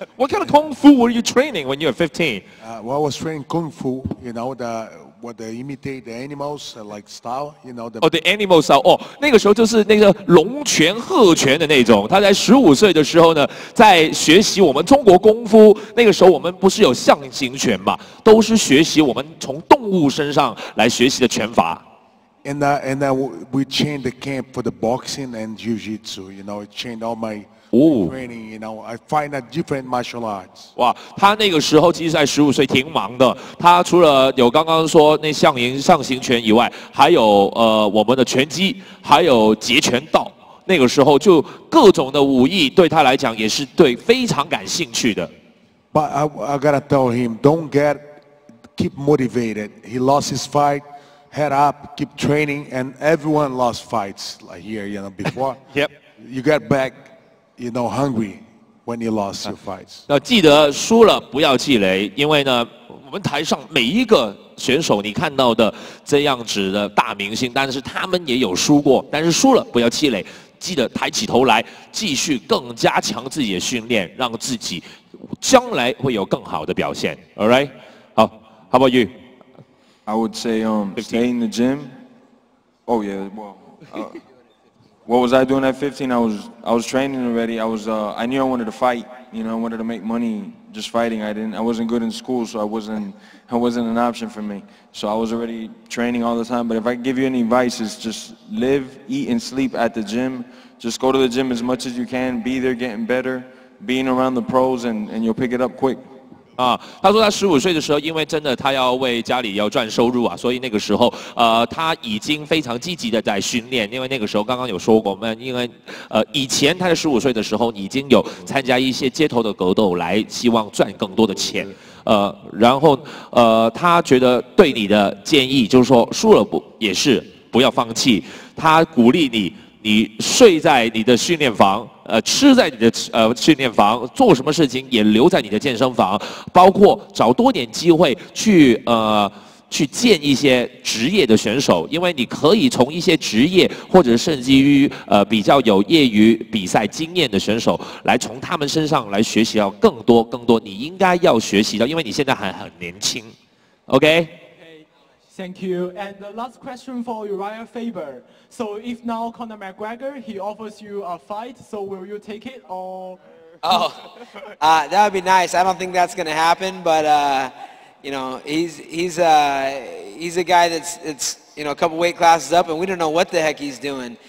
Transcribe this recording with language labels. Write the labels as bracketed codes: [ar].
[en] What kind of kung fu were you training when you were 15? Well, I was training kung fu, you know, what they imitate the animals, like style, you know. The animal style. [zh] Oh, 那个时候就是那个龙拳鹤拳的那种。他在15岁的时候呢，在学习我们中国功夫。那个时候我们不是有象形拳嘛，都是学习我们从动物身上来学习的拳法。 [en] And we changed the camp for the boxing and jiu-jitsu, you know, it changed all my training, you know, I find a different martial arts. [zh] 哇，他那个时候其实才十五岁，挺忙的。他除了有刚刚说那象形象形拳以外，还有我们的拳击，还有截拳道。那个时候就各种的武艺，对他来讲也是对非常感兴趣的。 [en] But I gotta tell him, keep motivated. He lost his fight. Head up, keep training, and everyone lost fights like here, you know, before. Yep. You got back, you know, hungry when you lost your fights. [zh] 那记得输了不要气馁，因为呢，我们台上每一个选手，你看到的这样子的大明星，但是他们也有输过，但是输了不要气馁，记得抬起头来，继续更加强自己的训练，让自己将来会有更好的表现。 [en] All right. 好 ，How about you? I would say stay in the gym. Oh, yeah. What was I doing at 15? I was training already. I knew I wanted to fight. You know, I wanted to make money just fighting. I wasn't good in school, so it wasn't an option for me. So I was already training all the time. But if I could give you any advice, it's just live, eat, and sleep at the gym. Just go to the gym as much as you can. Be there getting better. Being around the pros, and you'll pick it up quick. [zh] 啊，他说他十五岁的时候，因为真的他要为家里要赚收入啊，所以那个时候，他已经非常积极的在训练。因为那个时候刚刚有说过，我们因为，以前他在十五岁的时候已经有参加一些街头的格斗，来希望赚更多的钱。然后他觉得对你的建议就是说，输了不要放弃。他鼓励你，你睡在你的训练房。吃在你的训练房，做什么事情也留在你的健身房，包括找多点机会去见一些职业的选手，因为你可以从一些职业或者甚至于比较有业余比赛经验的选手来从他们身上来学习到更多更多你应该要学习的，因为你现在还很年轻。 [en] OK Thank you. And the last question for Uriah Faber. So if now Conor McGregor, he offers you a fight, so will you take it or? Oh, that would be nice. I don't think that's going to happen. But, you know, he's a guy that's, you know, a couple weight classes up and we don't know what the heck he's doing.